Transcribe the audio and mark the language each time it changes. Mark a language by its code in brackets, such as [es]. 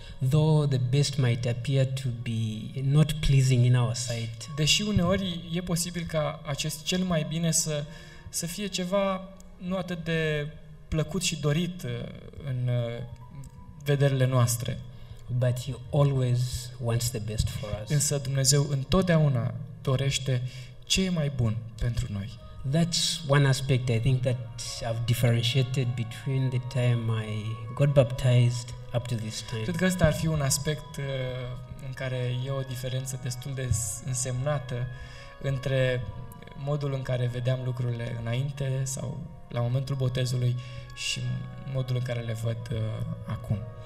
[en] Though the best might appear to be not pleasing in our sight. [ro] Deși uneori e posibil ca acest cel mai bine să fie ceva nu atât de plăcut și dorit în vederile noastre. [en] But he always wants the best for us. [ro] Însă Dumnezeu întotdeauna dorește ce e mai bun pentru noi. [en] That's one aspect I think that I've differentiated between the time I got baptized up to this time. [ro] Cred că ăsta ar fi un aspect în care e o diferență destul de însemnată între modul în care vedeam lucrurile înainte sau la momentul botezului și modul în care le văd acum.